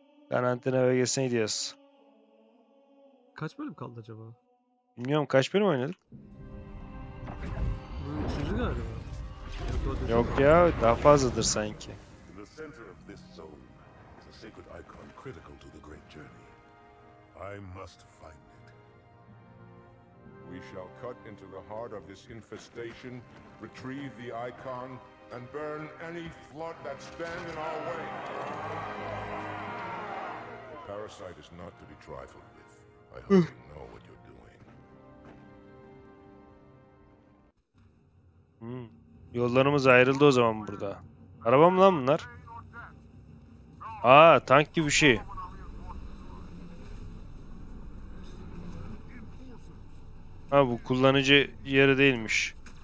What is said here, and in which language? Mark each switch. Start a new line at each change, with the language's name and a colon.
Turkish: Karantina bölgesine gidiyoruz. Kaç bölüm kaldı acaba? Bilmiyorum kaç bölüm oynadık? Bu üçüncü galiba. Yok, o dedi. Yok ya, daha fazladır sanki.
English: In the center of this zone is a sacred icon critical to the great journey. I must find it. We shall cut into the heart of this infestation, retrieve the icon, and burn any flood that stands in our way. The parasite is not to be trifled with. I hope you know what you're doing.
Turkish: Yollarımız ayrıldı o zaman burada. Araba mı lan bunlar? Aa, tank gibi bir şey. Ha, bu kullanıcı yeri değilmiş.